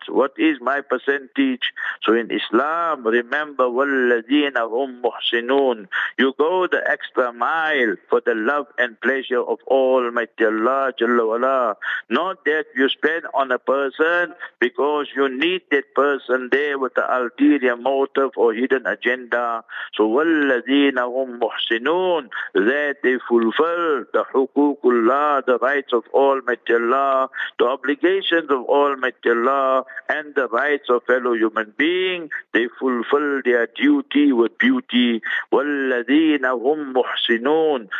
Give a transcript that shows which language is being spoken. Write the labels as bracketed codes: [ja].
[en] What is my percentage? So in Islam, remember, [ar] وَالَّذِينَ هُمْ مُحْسِنُونَ. [en] You go the extra mile for the love and pleasure of Almighty Allah Jalla Wala. Not that you spend on a person because you need that person there with the ulterior motive or hidden agenda. [ar] So وَالَّذِينَ هُمْ مُحْسِنُونَ. [en] That they fulfill the hukukullah, the rights of Almighty Allah, the obligations of Almighty Allah, and the rights of fellow human being, they fulfill their duty with beauty. [ar] وَالَّذِينَ هُمْ مُحْسِنُونَ.